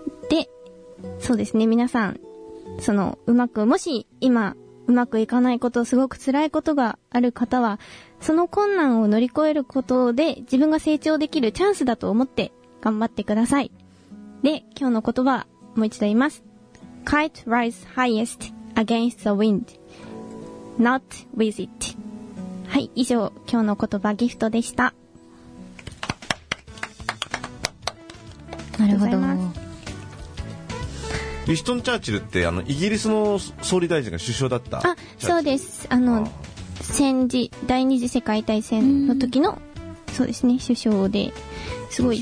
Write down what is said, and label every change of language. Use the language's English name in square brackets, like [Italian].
[Japanese] で、そうですね、皆さん、その、うまく、もし今、うまくいかないこと、すごく辛いことがある方は、その困難を乗り越えることで、自分が成長できるチャンスだと思って、頑張ってください。で、今日の言葉、もう一度言います。 [English] Kite rise highest against the wind, not with it。 [Japanese] はい、以上、今日の言葉ギフトでした。なるほど。ウィストン・チャーチルって、あのイギリスの総理大臣が首相だった。あ、そうです。あの、あ、戦時、第二次世界大戦の時の、そうですね、首相で、すごい、